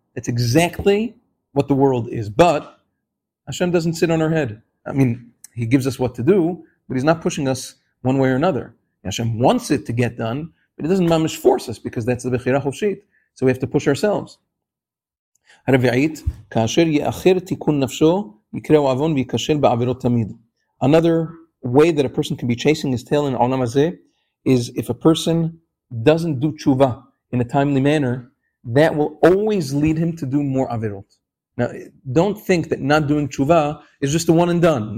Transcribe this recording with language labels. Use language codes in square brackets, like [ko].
[en] That's exactly what the world is. But Hashem doesn't sit on our head. I mean, He gives us what to do, but He's not pushing us one way or another. Hashem wants it to get done, but He doesn't mamish force us because that's the Bechira Chofshit. So we have to push ourselves. [he] הרביעית, כאשר יאחר תיקון נפשו, יקראו אבון ויקשל בעבירות תמיד. [en] Another way that a person can be chasing his tail in העולם הזה is if a person doesn't do תשובה in a timely manner, that will always lead him to do more עבירות. Now, don't think that not doing תשובה is just a one and done.